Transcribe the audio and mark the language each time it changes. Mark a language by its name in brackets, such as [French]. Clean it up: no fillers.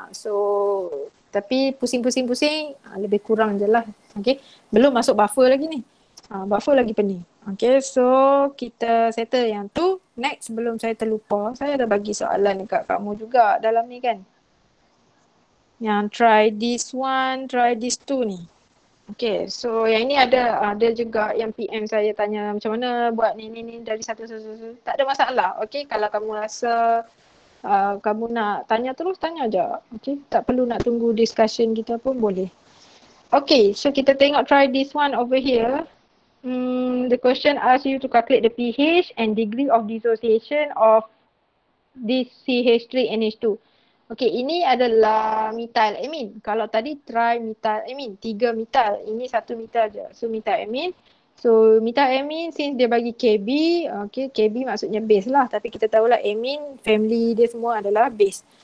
[Malay] So, tapi pusing-pusing-pusing, lebih kurang je lah. Okay, belum masuk buffer lagi ni. Buffer lagi pening. Okay, so kita settle yang tu. Next, sebelum saya terlupa, saya dah bagi soalan dekat kamu juga dalam ni kan. Yang [English] try this one, try this two [Malay] ni. Okay, so yang ini ada ada juga yang PM saya tanya macam mana buat ni dari satu. Tak ada masalah. Okay, kalau kamu rasa kamu nak tanya terus, tanya je. Okay, tak perlu nak tunggu discussion kita pun boleh. [English] Okay, so [Malay] kita tengok [English] try this one over here. The question ask you to calculate the pH and degree of dissociation of this CH3NH2. [Malay] Okay, ini adalah methylamine. Kalau tadi trimethylamine, 3-methyl. Ini 1-methyl je. So, methylamine. So, methylamine since dia bagi KB. Okay, KB maksudnya base lah. Tapi kita tahulah amine, family dia semua adalah base.